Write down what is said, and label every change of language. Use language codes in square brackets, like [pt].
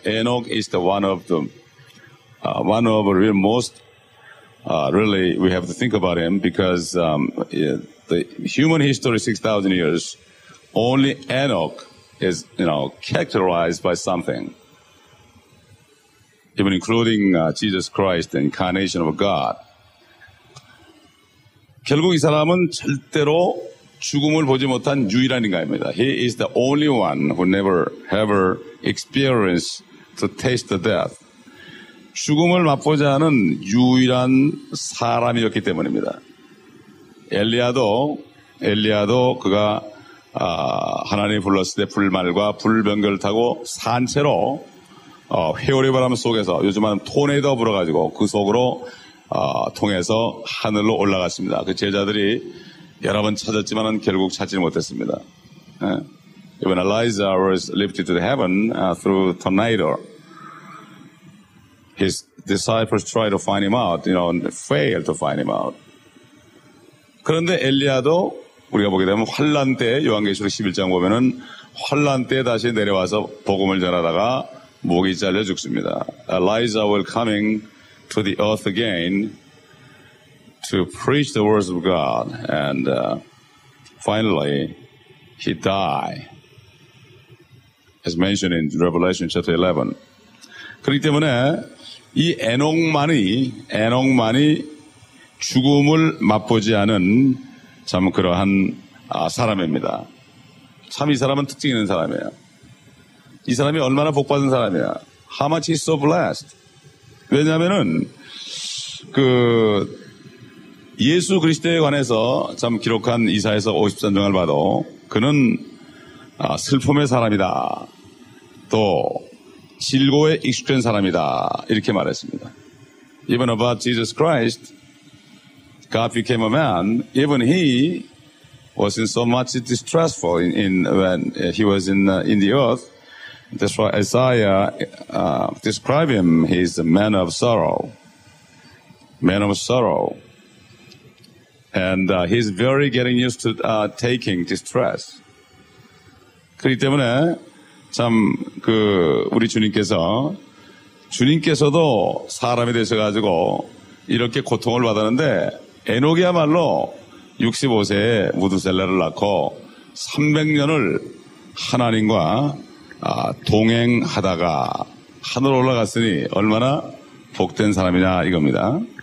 [en] Enoch is the one of the most really we have to think about him because the human history 6,000 years only Enoch is characterized by something. Even including Jesus Christ, the incarnation of God. [ko] 결국 이 사람은 절대로 죽음을 보지 못한 유일한 인간입니다. [en] He is the only one who never ever experienced to taste the death. [ko] 죽음을 맛보지 않은 유일한 사람이었기 때문입니다. 엘리야도 그가 하나님 불렀을 때 불말과 불병거를 타고 산채로 회오리 바람 속에서 요즘은 토네이도 불어가지고 그 속으로 통해서 하늘로 올라갔습니다. 그 제자들이 여러 번 찾았지만은 결국 찾지 못했습니다. [en] Even Elijah was lifted to the heaven through tornado. His disciples tried to find him out, and failed to find him out. [ko] 그런데 엘리야도 우리가 보게 되면 환난 때 요한계시록 11장 보면은 환난 때 다시 내려와서 복음을 전하다가 목이 잘려 죽습니다. [en] Elijah will coming to the earth again to preach the words of God and finally he died as mentioned in Revelation chapter 11. [ko] 그렇기 때문에 이 에녹만이 죽음을 맛보지 않은 참 그러한 사람입니다. 참 이 사람은 특징 있는 사람이에요. 이 사람이 얼마나 복받은 사람이야. [en] How much he's so blessed. [ko] 왜냐하면은 그 예수 그리스도에 관해서 참 기록한 이사야서 53장을 봐도 그는 슬픔의 사람이다. 또 질고에 익숙한 사람이다. 이렇게 말했습니다. [en] Even about Jesus Christ, God became a man. Even he was in so much distressful when he was in the earth. That's why Isaiah described him. He's a man of sorrow. Man of sorrow. And he's very getting used to taking distress. [ko] 그렇기 때문에 참 그 우리 주님께서도 사람이 되셔 가지고 이렇게 고통을 받았는데 에녹이야말로 65세에 무드셀라를 낳고 300년을 하나님과 동행하다가 하늘로 올라갔으니 얼마나 복된 사람이냐 이겁니다.